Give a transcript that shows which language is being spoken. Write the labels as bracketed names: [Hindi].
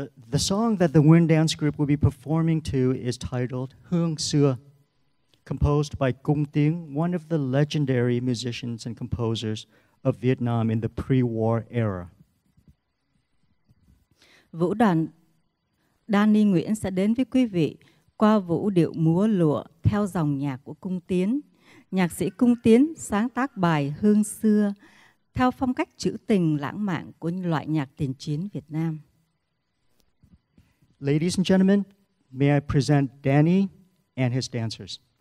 [English] The song that the Nguyen Dance Group will be performing to is titled Hương Xưa, composed by Cung Tiếng, one of the legendary musicians and composers of Vietnam in the pre-war era. [Vietnamese] Vũ đoàn Danny Nguyễn sẽ đến với quý vị qua vũ điệu múa lụa theo dòng nhạc của Cung Tiến. Nhạc sĩ Cung Tiến sáng tác bài Hương Xưa theo phong cách trữ tình lãng mạn của loại nhạc tiền chiến Việt Nam. [English] Ladies and gentlemen, may I present Danny and his dancers.